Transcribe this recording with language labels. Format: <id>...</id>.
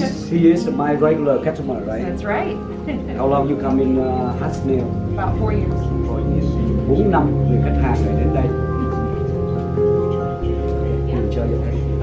<en>He is my regular customer, right? That's right. How long you come in Hasnail? About 4 years. 4 years.</en> <vi>4 năm người khách hàng này đến đây.</vi> <en>You enjoy your pedicure.</en>